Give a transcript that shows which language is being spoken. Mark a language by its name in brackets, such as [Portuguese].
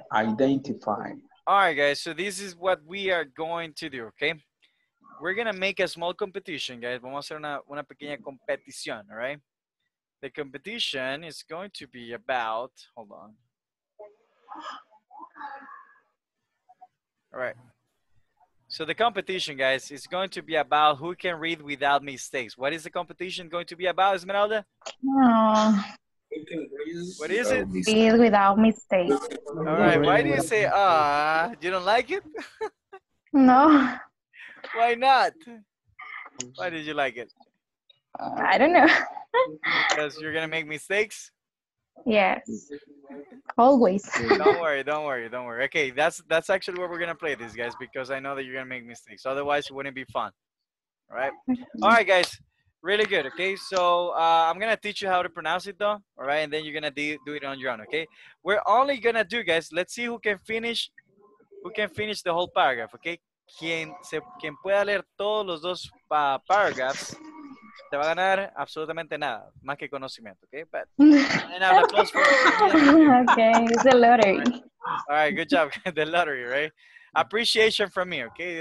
[English] All right, guys, so this is what we are going to do, okay? We're going to make a small competition, guys. [Spanish] Vamos a hacer una pequeña competición, [English] all right? The competition is going to be about, hold on. All right. So the competition, guys, is going to be about who can read without mistakes. What is the competition going to be about, Esmeralda? What is it? Read without mistakes. All right. Why do you say ah? You don't like it? No. Why not? Why did you like it? I don't know. Because you're gonna make mistakes. Yes. Always. Don't worry. Okay, that's actually where we're gonna play this, guys, because I know that you're gonna make mistakes. Otherwise, it wouldn't be fun. All right. All right, guys. Really good, okay? So I'm going to teach you how to pronounce it, though, all right? And then you're going to do it on your own, okay? We're only going to do, guys, let's see who can finish the whole paragraph, okay? [Spanish] Quien pueda leer todos los dos paragraphs, te va a ganar absolutamente nada, más que conocimiento, okay? [English] But and I'll close for okay, it's a lottery. All right, good job, the lottery, right? Appreciation from me, okay?